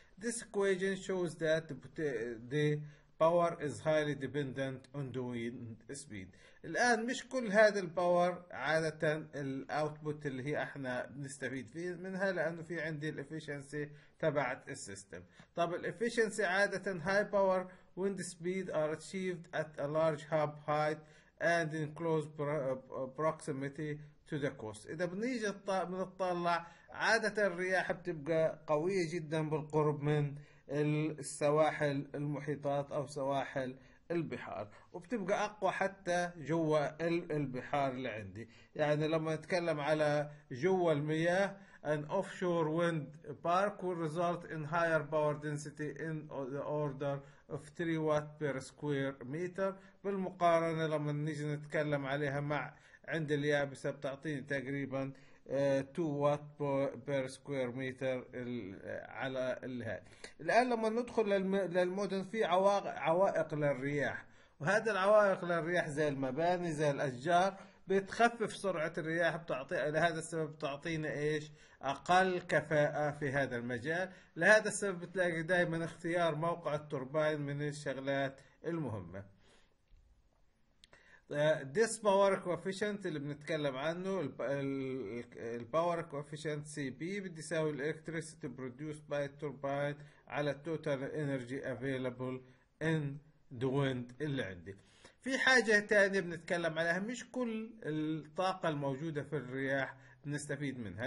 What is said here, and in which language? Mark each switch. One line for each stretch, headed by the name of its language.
English: This equation shows that the power is highly dependent on the wind speed.
Arabic: الآن مش كل هذا الباور عادة الاوتبوت اللي هي احنا بنستفيد فيه منها، لانه في عندي الافيشنسي تبعت السيستم. طب الافيشنسي عادة
English: high power wind speed are achieved at a large hub height and in close proximity to the coast.
Arabic: اذا بنيجي بنطلع عادة الرياح بتبقى قوية جدا بالقرب من السواحل المحيطات او سواحل البحار، وبتبقى اقوى حتى جوا البحار اللي عندي. يعني لما نتكلم على جوا المياه،
English: an offshore wind park will result in higher power density in the order of 3 watt per square meter.
Arabic: بالمقارنة لما نيجي نتكلم عليها مع عند اليابسة بتعطيني تقريبا 2 وات بير سكوير متر على الها. الان لما ندخل للمدن في عوائق للرياح، وهذا العوائق للرياح زي المباني زي الاشجار بتخفف سرعة الرياح، بتعطي لهذا السبب بتعطينا إيش أقل كفاءة في هذا المجال. لهذا السبب بتلاقي دائما اختيار موقع التوربين من الشغلات المهمة.
English: This power coefficient
Arabic: اللي بنتكلم عنه ال
English: power coefficient CP
Arabic: بدي يساوي
English: electricity produced by turbine على total energy available in the wind
Arabic: اللي عندي. في حاجة تانية بنتكلم عليها، مش كل الطاقة الموجودة في الرياح بنستفيد منها.